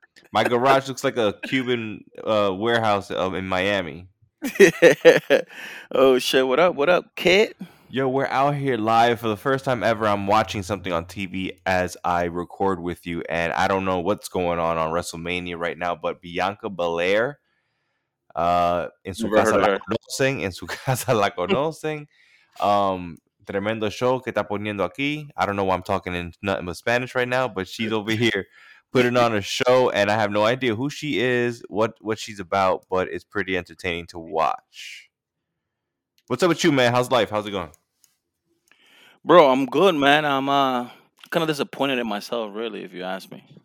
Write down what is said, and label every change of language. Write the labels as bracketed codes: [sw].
[en] My garage looks like a Cuban warehouse in Miami. Oh, shit. What up? What up, kid? Yo, we're out here live. For the first time ever, I'm watching something on TV as I record with you, and I don't know what's going on WrestleMania right now, but Bianca Belair... [es] in su casa la conocen, en su casa la conocen. Tremendo show que está poniendo aquí. [en] I don't know why I'm talking in nothing but Spanish right now, but she's over here putting on a show, and I have no idea who she is, what she's about, but it's pretty entertaining to watch. What's up with you, man? How's life? How's it going? Bro, I'm good, man. I'm kind of disappointed in myself, really, if you ask me.